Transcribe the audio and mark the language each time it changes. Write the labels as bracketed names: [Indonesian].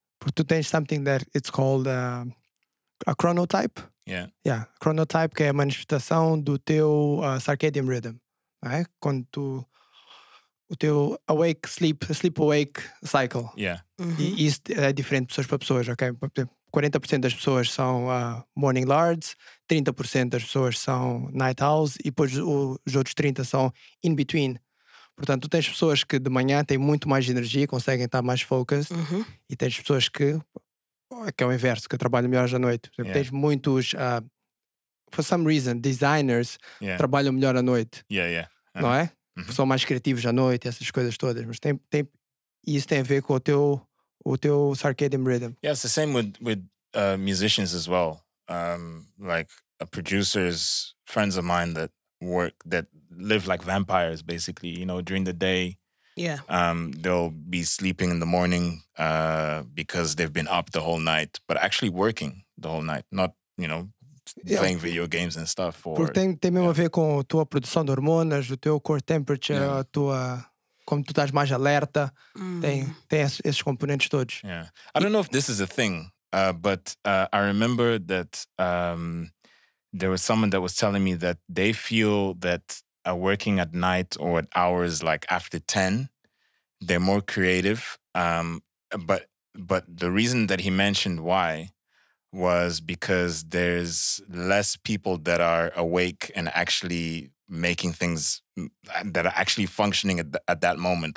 [Portuguese] Porque tu tens [English] something that it's called a chronotype. Yeah. [Portuguese] Yeah, chronotype, que é a manifestação do teu circadian rhythm. Não é? Quando tu... O teu awake, sleep-awake cycle. [English] Yeah. [Portuguese] Uh-huh. E isso é diferente de pessoas para pessoas, ok? 40% das pessoas são morning lards, 30% das pessoas são night owls e depois os outros 30% são in between. Portanto, tu tens pessoas que de manhã têm muito mais energia, conseguem estar mais focused, uh-huh. E tens pessoas que é o inverso, que trabalham melhor à noite. Por exemplo, tens muitos, [English] for some reason, [Portuguese] designers trabalham melhor à noite. [English] Yeah. [Portuguese] Não é? Uh-huh. São mais criativos à noite, essas coisas todas, mas tem isso tem a ver com o teu circadian rhythm. [English] Yeah, it's the same with musicians as well. Like producers, friends of mine that live like vampires, basically, you know, during the day. Yeah. They'll be sleeping in the morning because they've been up the whole night, but actually working the whole night, not, you know, playing video games and stuff. [Portuguese] Porque tem mesmo a ver com a tua produção de hormonas, o teu core temperature, a tua... Como tu estás mais alerta, tem esses componentes todos. [English] Yeah. I don't know if this is a thing, but I remember that there was someone that was telling me that they feel that working at night or at hours like after 10, they're more creative. But the reason that he mentioned why was because there's less people that are awake and actually making things that are actually functioning at that moment.